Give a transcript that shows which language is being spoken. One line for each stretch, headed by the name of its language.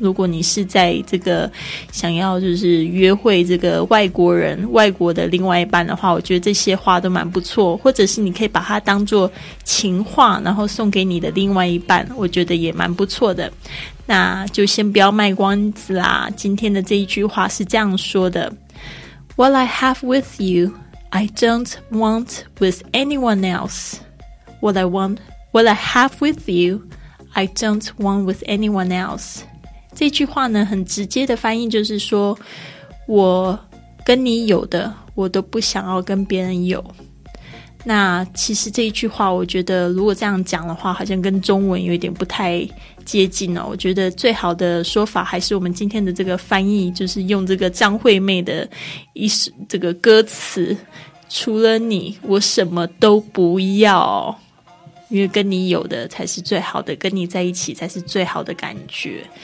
Chinese: 如果你是在这个想要就是约会这个外国人外国的另外一半的话，我觉得这些话都蛮不错，或者是你可以把它当作情话然后送给你的另外一半，我觉得也蛮不错的。那就先不要卖关子啦，今天的这一句话是这样说的。
English: What I have with you, I don't want with anyone else. What I have with you, I don't want with anyone else.
Chinese: 这句话呢，很直接的翻译就是说，我跟你有的，我都不想要跟别人有。那其实这一句话，我觉得如果这样讲的话，好像跟中文有点不太接近哦。我觉得最好的说法还是我们今天的这个翻译，就是用这个张惠妹的一首这个歌词，除了你我什么都不要，因为跟你有的才是最好的，跟你在一起才是最好的感觉。